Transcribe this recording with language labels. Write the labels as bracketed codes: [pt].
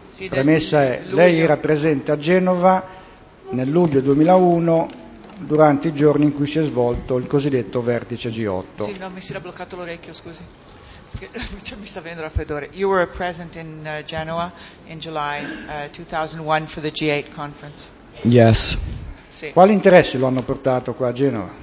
[it] lei era presente a Genova nel luglio 2001 durante i giorni in cui si è svolto il cosiddetto vertice G8. Sì, no, mi si era bloccato l'orecchio, scusi. Cioè, mi sta venendo raffreddore. [en] You were present in Genoa in July 2001 for the G8 conference. Yes. [it] Sì. Quali interessi lo hanno portato qua a Genova?